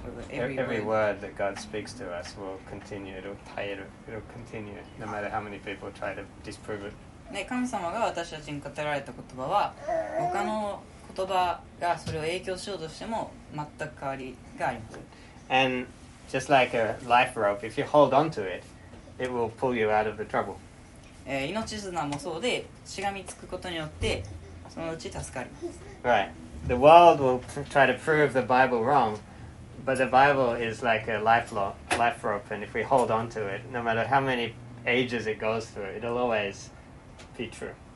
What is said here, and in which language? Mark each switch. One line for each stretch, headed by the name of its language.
English: Every word that God speaks to us will continue. It'll continue, no matter how many people try to disprove it.
Japanese: 神様が私たちに語られた言葉は、他の言葉がそれを影響しようとしても全く変わりがありません。
English: And just like a life rope, if you hold on to it, it will pull you out of the trouble.
Japanese: 命綱もそうで、しがみつくことによってそのうち助かります。
English: Right. The world will try to prove the Bible wrong. But the Bible is like a life rope, and if we hold on to it, no matter how many ages it goes through, it'll always be true.